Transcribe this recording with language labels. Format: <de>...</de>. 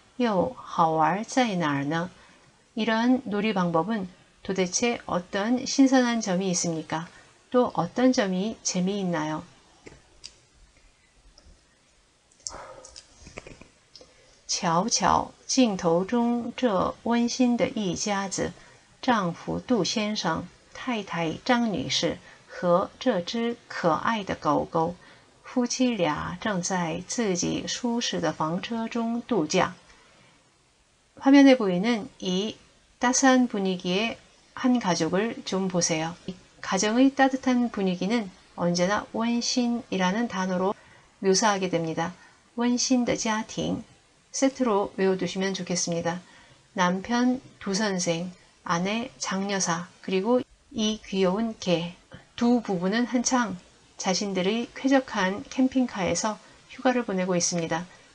<zh>这种玩法到底有什么新鲜的地方，又好玩在哪儿呢？</zh> <ko>이런 놀이 방법은 도대체 어떤 신선한 점이 있습니까? 또 어떤 점이 재미있나요?</ko> <zh>瞧瞧镜头中这温馨的一家子，丈夫杜先生、太太张女士和这只可爱的狗狗。夫妻俩正在自己舒适的房车中度假。</zh> <ko>화면에보이는이따스한분위기의한가족을좀보세요。 가정의따뜻한분위기는언제나温馨이라는단어로묘사하게됩니다。</ko> <zh>温馨的家庭</zh> <ko>세트로외워두시면좋겠습니다。 남편두선생、아내장녀사、그리고이귀여운개두부부는한창자신들의 쾌적한 캠핑카에서 휴가를 보내고 있습니다.</ko>